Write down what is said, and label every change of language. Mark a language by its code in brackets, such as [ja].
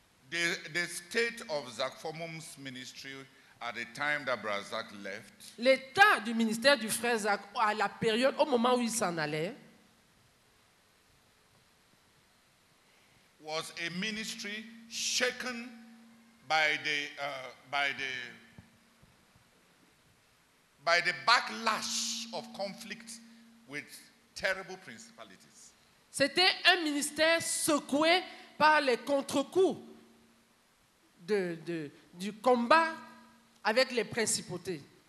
[en] The state of Zakfomum's ministry at the time that Brother Zak left. [fr] L'état du ministère du frère Zak à la période au moment où il s'en allait. [en] Was a ministry shaken by the backlash of conflict with terrible principalities. [fr] C'était un ministère secoué par les contre-coups. Du combat avec les principautés.